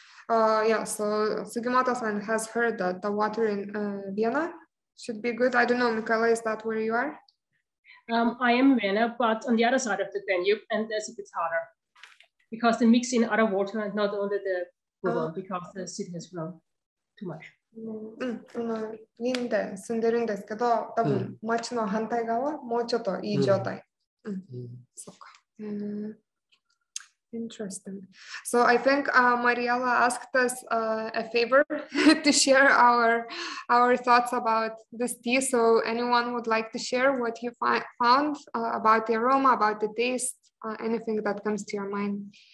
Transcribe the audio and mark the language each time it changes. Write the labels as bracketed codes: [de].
[en] Yeah, so Sugimoto-san has heard that the water in Vienna should be good. I don't know, Michaela, is that where you are? I am in Vienna, but on the other side of the Danube, and there's a bit harder. Because they mix in other water, and not only the river, because the city has grown too much. [ja] Win で住んでるんですけど、多分町の反対側、もうちょっといい状態。そっか。 [en] Interesting. So I think Mariella asked us a favor to share our thoughts about this tea. So anyone would like to share what you found about the aroma, about the taste, anything that comes to your mind?